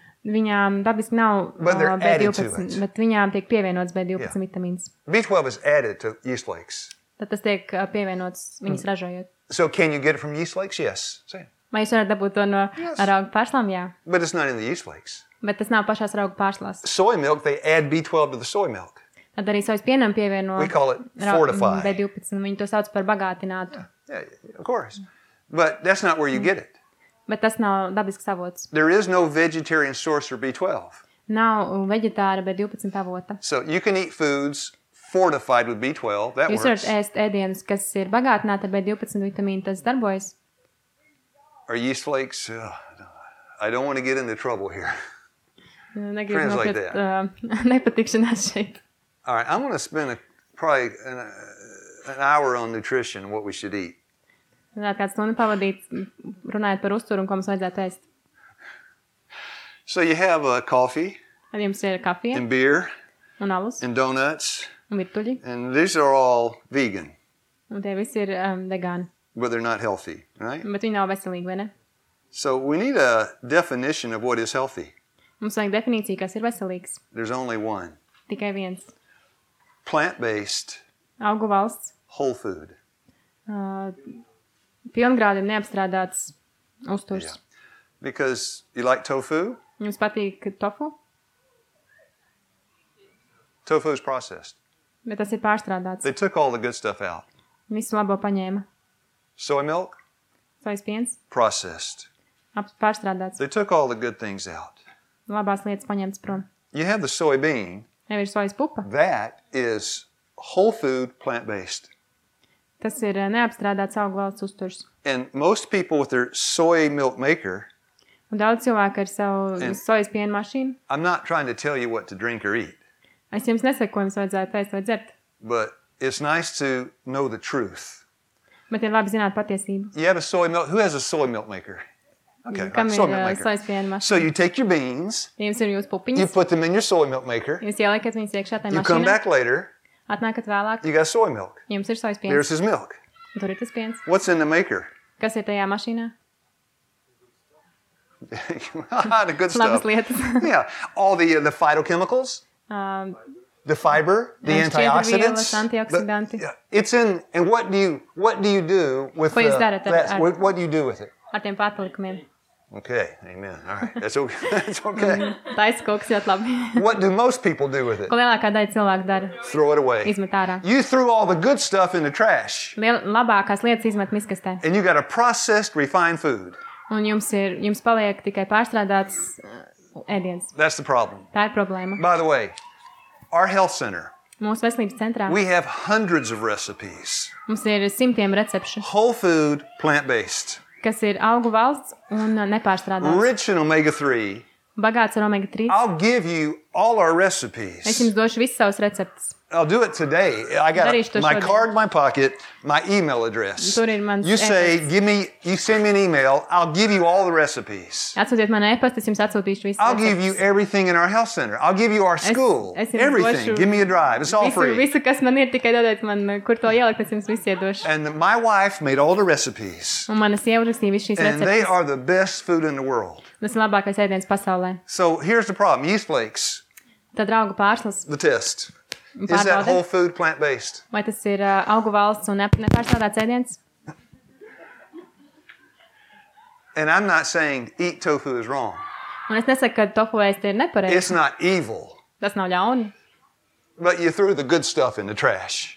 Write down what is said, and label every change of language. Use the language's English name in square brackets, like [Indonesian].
[Latvian] Viņām dabiski nav B12, bet viņām tiek pievienots B12 vitamīns. [English] B12 is added to yeast flakes. [Latvian] Tad tas tiek pievienots viņas ražojot. [English] So can you get it from yeast flakes? Yes. Same. [Latvian] Vai jūs varat dabūt to no raugu pārslām? Jā. [English] But it's not in the yeast flakes. [Latvian] Bet tas nav pašās raugu pārslās. [English] Soy milk, they add B12 to the soy milk. [Latvian] Tad arī sojas pienam pievieno B12, viņi to sauc par bagātinātu. [English] Yeah, of course. But that's not where you get it. [Latvian] Bet tas nav dabisks avots. [English] There is no vegetarian source for B12. [Latvian] Nav vegetāra B12 avota. [English] So you can eat foods fortified with B12, that [Latvian] jūs [English] works. [Latvian] Jūs varat ēst ēdienus, kas ir bagātināti ar B12 vitamīnu, tas darbojas. [English] Are yeast flakes? I don't want to get into trouble here. Friends like that. [Latvian] Nepatikšanās šeit. [English] All right, I'm going to spend probably an hour on nutrition, what we should eat. [Latvian] Tātad kāds stundu pavadīt, runājot par uzturu un ko mums vajadzētu ēst. [English] So you have a coffee. [Latvian] Tad jums ir kafija. [English] And beer. [Latvian] Un alus. [English] And donuts. [Latvian] Un virtuļi. [English] And these are all vegan. [Latvian] Un tie visi ir vegāni. [English] But they're not healthy, right? [Latvian] Bet viņi nav veselīgi, vai ne? [English] So we need a definition of what is healthy. [Latvian] Mums vajag definīcija, kas ir veselīgs. [English] There's only one. [Latvian] Tikai viens. [English] Plant-based. [Latvian] Augu valsts. [English] Whole food. [Latvian] Pilngrādi neapstrādāts uzturs. [English] Yeah. Because you like tofu? [Latvian] Jums patīk tofu? [English] Tofu is processed. [Latvian] Bet tas ir pārstrādāts. [English] They took all the good stuff out. [Latvian] Visu labo paņēma. [English] Soy milk? [Latvian] Sojas piens? [English] Processed. [Latvian] Pārstrādāts. [English] They took all the good things out. [Latvian] Labās lietas paņēmas prom. [English] You have the soy bean. [Latvian] Jau ir sojas pupa. [English] That is whole food plant-based. [Latvian] Tas ir neapstrādāts augu valsts uzturs. [English] And most people with their soy milk maker. [Latvian] Un daudz cilvēku ar savu sojas piena mašīnu. [English] I'm not trying to tell you what to drink or eat. [Latvian] Es jums nesaku, ko jums vajadzētu ēst vai dzert. [English] But it's nice to know the truth. [Latvian] Bet ir labi zināt patiesību. [English] You have a soy milk. Who has a soy milk maker? Okay, soy milk maker. [Latvian] Sojas piena mašīna. [English] So you take your beans. [Latvian] Jums ir jūsu pupiņas. [English] You put them in your soy milk maker. [Latvian] Jūs ieliekat viņus iekšā tajā mašīnā. [English] You come back later. [Latvian] Atnākat vēlāk. [English] You got soy milk. [Latvian] Jums ir sojas piens. [English] There's his milk. [Latvian] Tur ir tas piens. [English] What's in the maker? [Latvian] Kas ir tajā mašīnā? [English] The good stuff. [Latvian] Labas lietas. [English] Yeah. All the phytochemicals. The fiber. The antioxidants. [Latvian] Vielas, antioxidanti. [English] It's in... And what do you do with [Latvian] ko [English] the... [Latvian] Ko jūs darat? [English] What do you do with it? [Latvian] Ar tiem patalikumiem. [English] Okay. Amen. All right. That's okay. [Latvian] Taisa koks ļoti labi. [English] What do most people do with it? [Latvian] Ko lielākā daļa cilvēku dara? [English] Throw it away. [Latvian] Izmet ārā. [English] You threw all the good stuff in the trash. [Latvian] Labākās lietas izmet miskastē. [English] And you got a processed, refined food. [Latvian] Un jums paliek tikai pārstrādāts ēdiens. [English] That's the problem. [Latvian] Tā ir problēma. [English] By the way, our health center. [Latvian] Mūsu veselības centrā. [English] We have hundreds of recipes. [Latvian] Mums ir simtiem recepšu. [English] Whole food, plant-based. [Latvian] Kas ir augu valsts un nepārstrādāts. [English] Rich in omega-3. [Latvian] Bagāts ar omega-3. [English] I'll give you all our recipes. [Latvian] Es jums došu visus savus receptus. [English] I'll do it today. I got my card, my pocket, my email address. [Latvian] Tur ir mans e-pasts. [English] You send me an email, I'll give you all the recipes. [Latvian] Atsūtiet man e-pastu, es jums atsūtīšu visus. [English] I'll give you everything in our health center. I'll give you our school. Everything. Give me a drive. It's all free. [Latvian] Visu, kas man ir, tikai dodiet man, kur to ielikt, es jums visu iedošu. [English] And my wife made all the recipes. [Latvian] Un mana sieva uzrakstīja visus šīs receptes. [English] And they are the best food in the world. [Latvian] Tas ir labākais ēdiens pasaulē. [English] So here's the problem. Yeast flakes. [Latvian] Tad raugu pārslas. [English] The test. Is that whole food plant-based? [Latvian] Vai tas ir augu valsts un nepārstrādāts ēdiens? [English] And I'm not saying eat tofu is wrong. [Latvian] Un es nesaku, ka tofu ēst ir nepareizi. [English] It's not evil. [Latvian] Tas nav ļauni. [English] But you threw the good stuff in the trash.